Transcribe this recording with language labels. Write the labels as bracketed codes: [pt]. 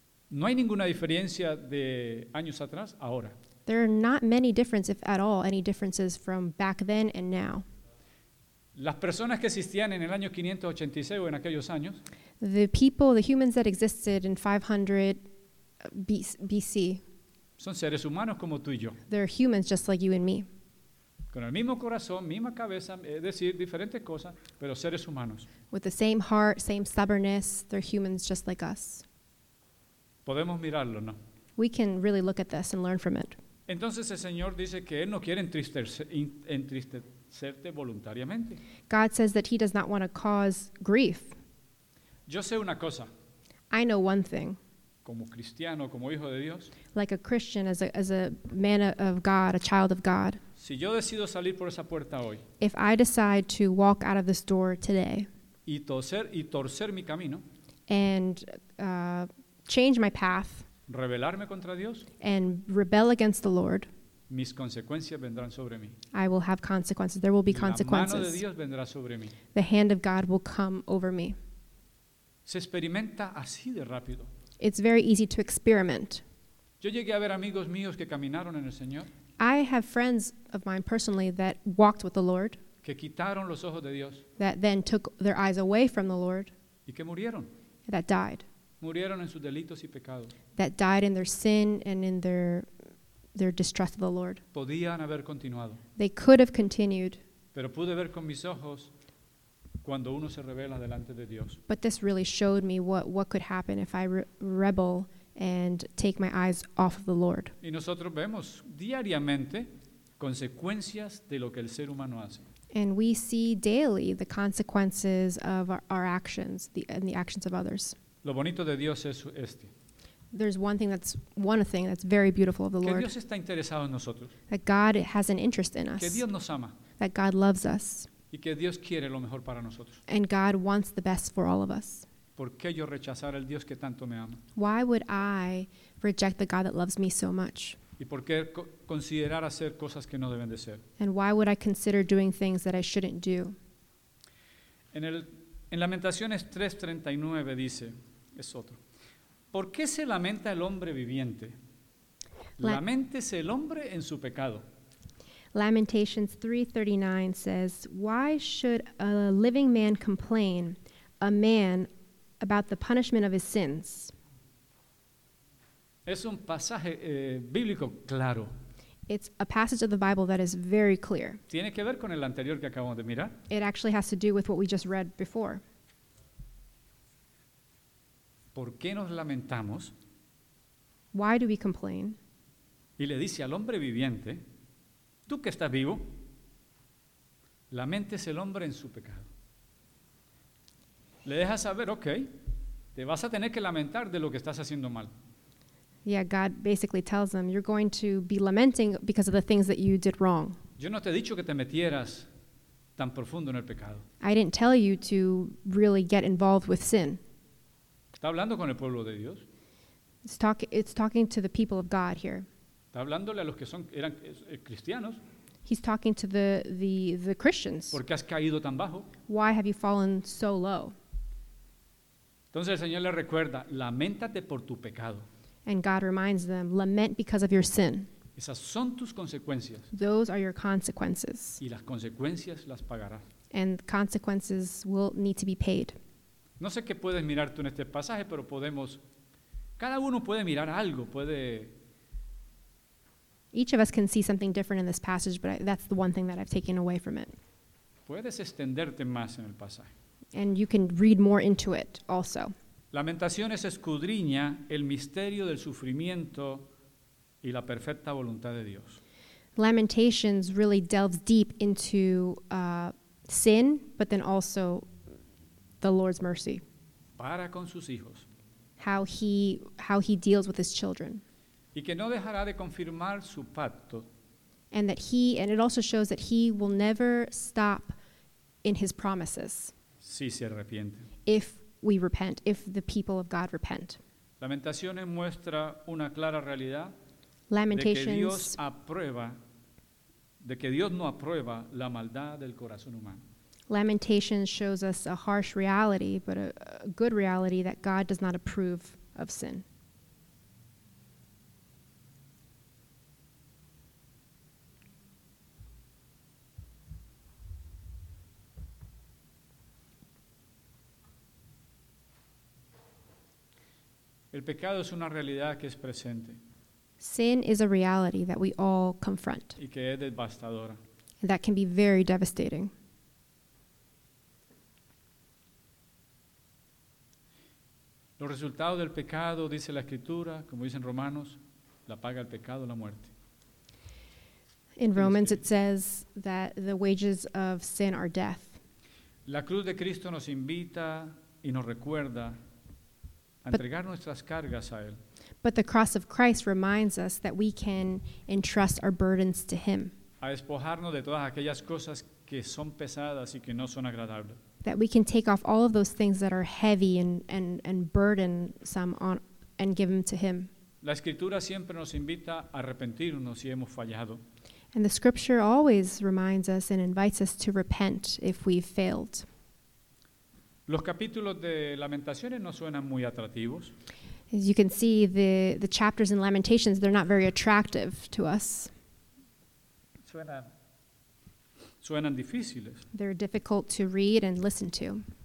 [es] No hay ninguna diferencia de años atrás, ahora. [en] There are not many differences, if at all, any differences from back then and now. [es] Las personas que existían en el año 586 o en aquellos años. [en] The people, the humans that existed in 500 BC. [es] Son seres humanos como tú y yo. [en] They're humans just like you and me. [es] Con el mismo corazón, misma cabeza, es decir, diferentes cosas, pero seres humanos. [en] With the same heart, same stubbornness, they're humans just like us. [es] Podemos mirarlo, ¿no? [en] We can really look at this and learn from it. [es] Entonces el Señor dice que Él no quiere entristecerte voluntariamente. [en] God says that He does not want to cause grief. [es] Yo sé una cosa. [en] I know one thing. [es] Como cristiano, como hijo de Dios. [en] Like a Christian, as a man of God, a child of God. [es] Si yo decido salir por esa puerta hoy. [en] If I decide to walk out of this door today. [es] Y torcer mi camino. [en] And change my path. [es] Rebelarme contra Dios. [en] And rebel against the Lord. [es] Mis consecuencias vendrán sobre mí. [en] I will have consequences. There will be consequences. [es] La mano de Dios vendrá sobre mí. [en] The hand of God will come over me. [es] Se experimenta así de rápido. [en] It's very easy to experiment. [es] Yo llegué a ver amigos míos que caminaron en el Señor. [en] I have friends of mine personally that walked with the Lord. [es] Que quitaron los ojos de Dios. [en] That then took their eyes away from the Lord. [es] Y que murieron. [en] That died. [es] Murieron en sus delitos y pecados. [en] That died in their sin and in their distrust of the Lord. [es] Podían haber continuado. [en] They could have continued. [es] Pero pude ver con mis ojos cuando uno se rebela delante de Dios. [en] But this really showed me what could happen if I rebel and take my eyes off of the Lord. [es] Y nosotros vemos diariamente consecuencias de lo que el ser humano hace. [en] And we see daily the consequences of our actions and the actions of others. [es] Lo bonito de Dios es este. [en] There's one thing that's very beautiful of the [es] que [en] Lord. [es] Dios está interesado en nosotros. [en] That God has an interest in us. [es] Que Dios nos ama. [en] That God loves us. [es] Y que Dios quiere lo mejor para nosotros. [en] And God wants the best for all of us. [es] ¿Por qué yo rechazar al Dios que tanto me ama? [en] Why would I reject the God that loves me so much? [es] ¿Y por qué considerar hacer cosas que no deben de ser? [en] And why would I consider doing things that I shouldn't do? [es] En Lamentaciones 3:39 dice, es otro. ¿Por qué se lamenta el hombre viviente? Lamentese el hombre en su pecado. [en] Lamentations 3:39 says, why should a living man complain, a man, about the punishment of his sins? [es] Es un pasaje bíblico claro. [en] It's a passage of the Bible that is very clear. [es] Tiene que ver con el anterior que acabamos de mirar. [en] It actually has to do with what we just read before. [es] ¿Por qué nos lamentamos? [en] Why do we complain? [es] Y le dice al hombre viviente, tú que estás vivo, lamentes el hombre en su pecado. Le deja saber, ok, te vas a tener que lamentar de lo que estás haciendo mal. [en] Yeah, God basically tells them, you're going to be lamenting because of the things that you did wrong. [es] Yo no te he dicho que te metieras tan profundo en el pecado. [en] I didn't tell you to really get involved with sin. [es] Está hablando con el pueblo de Dios. [en] It's talking to the people of God here. [es] Está hablándole a los que eran cristianos. [en] He's talking to the Christians. [es] ¿Por qué has caído tan bajo? [en] Why have you fallen so low? [es] Entonces el Señor le recuerda, lamentate por tu pecado. [en] And God reminds them, lament because of your sin. [es] Esas son tus consecuencias. [en] Those are your consequences. [es] Y las consecuencias las pagarás. [en] And consequences will need to be paid. [es] No sé qué puedes mirar tú en este pasaje, pero cada uno puede mirar algo, puede [en] Each of us can see something different in this passage, but that's the one thing that I've taken away from it. [es] Puedes extenderte más en el pasaje. [en] And you can read more into it also. [es] Lamentaciones escudriña el misterio del sufrimiento y la perfecta voluntad de Dios. [en] Lamentations really delves deep into sin, but then also the Lord's mercy. [es] Para con sus hijos. [en] How he deals with his children. [es] Y que no dejará de confirmar su pacto. [en] And that he, and it also shows that he will never stop in his promises. [es] Si se arrepiente. [en] If we repent, if the people of God repent. [es] Lamentaciones muestra una clara realidad. [en] Lamentations. [es] De que Dios no aprueba la maldad del corazón humano. [en] Lamentations shows us a harsh reality, but a good reality that God does not approve of sin. [es] El pecado es una realidad que es presente. [en] Sin is a reality that we all confront. [es] Y que es devastadora. [en] And that can be very devastating. [es] Los resultados del pecado, dice la Escritura, como dicen Romanos, la paga el pecado, la muerte. [en] In Romans it says that the wages of sin are death. [es] La cruz de Cristo nos invita y nos recuerda a entregar nuestras cargas a Él. [en] But the cross of Christ reminds us that we can entrust our burdens to Him. [es] A despojarnos de todas aquellas cosas que son pesadas y que no son agradables. [en] That we can take off all of those things that are heavy and burdensome on, and give them to Him. [es] La Escritura siempre nos invita a arrepentirnos si hemos fallado. [en] And the Scripture always reminds us and invites us to repent if we've failed. [es] Los capítulos de Lamentaciones no suenan muy atractivos. [en] As you can see, the chapters in Lamentations, they're not very attractive to us. [es] Suenan difíciles. [en] They're difficult to read and listen to.